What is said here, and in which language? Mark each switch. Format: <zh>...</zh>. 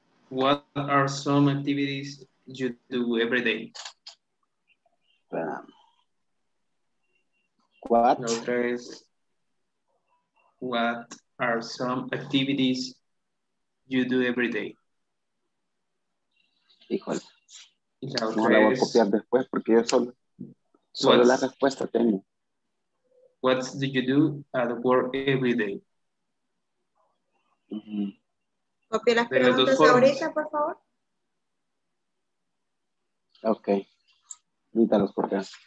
<en>What are some activities you do every day? What are some activities you do every day?</en> <es>Igual. No la voy a copiar después porque yo solo la respuesta tengo.</es> <en>What do you do at work every day? Mm-hmm.</en> <es>Copia las preguntas ahorita, por favor.</es> <en>Ok.</en> <es>Dítalos, por favor.</es>